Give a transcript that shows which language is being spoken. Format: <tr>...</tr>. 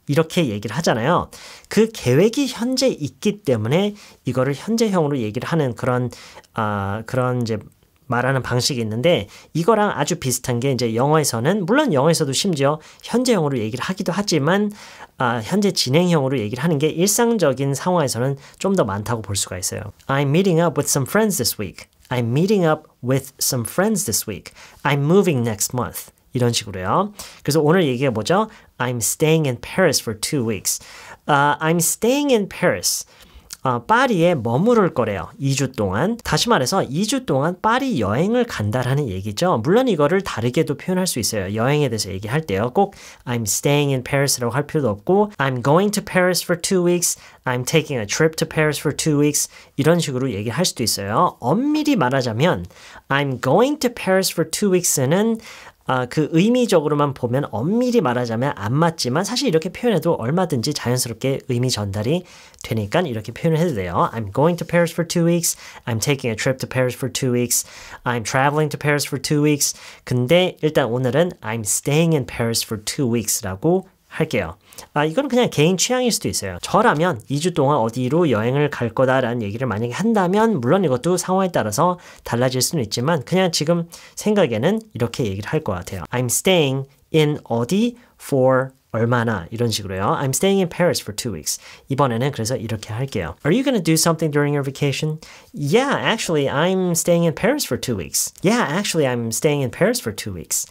<ko>이렇게 얘기를 하잖아요. 그 계획이 현재 있기 때문에 이거를 현재형으로 얘기를 하는 그런 그런 이제 말하는 방식이 있는데 이거랑 아주 비슷한 게 이제 영어에서는 물론 영어에서도 심지어 현재형으로 얘기를 하기도 하지만 현재 진행형으로 얘기를 하는 게 일상적인 상황에서는 좀 더 많다고 볼 수가 있어요.</ko> <en>I'm meeting up with some friends this week. I'm meeting up with some friends this week. I'm moving next month.</en> <ko>이런 식으로요. 그래서 오늘 얘기가 뭐죠?</ko> <en>I'm staying in Paris for 2 weeks. I'm staying in Paris.</en> <ko>파리에 머무를 거래요. 2주 동안. 다시 말해서 2주 동안 파리 여행을 간다라는 얘기죠. 물론 이거를 다르게도 표현할 수 있어요. 여행에 대해서 얘기할 때요.</ko> <en>꼭 I'm staying in Paris라고</en> <ko>할 필요도 없고</ko> <en>I'm going to Paris for 2 weeks. I'm taking a trip to Paris for 2 weeks.</en> <ko>이런 식으로 얘기할 수도 있어요. 엄밀히 말하자면</ko> <en>I'm going to Paris for 2 weeks</en> <ko>는 그 의미적으로만 보면 엄밀히 말하자면 안 맞지만 사실 이렇게 표현해도 얼마든지 자연스럽게 의미 전달이 되니까 이렇게 표현을 해도 돼요.</ko> <en>I'm going to Paris for 2 weeks. I'm taking a trip to Paris for 2 weeks. I'm traveling to Paris for 2 weeks.</en> <ko>근데 일단 오늘은</ko> <en>I'm staying in Paris for 2 weeks라고 할게요.</en> <ko>이건 그냥 개인 취향일 수도 있어요. 저라면 2주 동안 어디로 여행을 갈 거다라는 얘기를 만약에 한다면 물론 이것도 상황에 따라서 달라질 수는 있지만 그냥 지금 생각에는 이렇게 얘기를 할 것 같아요.</ko> <en>I'm staying in</en> <ko>어디 for 얼마나 이런 식으로요.</ko> <en>I'm staying in Paris for 2 weeks.</en> <ko>이번에는 그래서 이렇게 할게요.</ko> <en>Are you going to do something during your vacation? Yeah, actually, I'm staying in Paris for 2 weeks. Yeah, actually, I'm staying in Paris for 2 weeks.</en>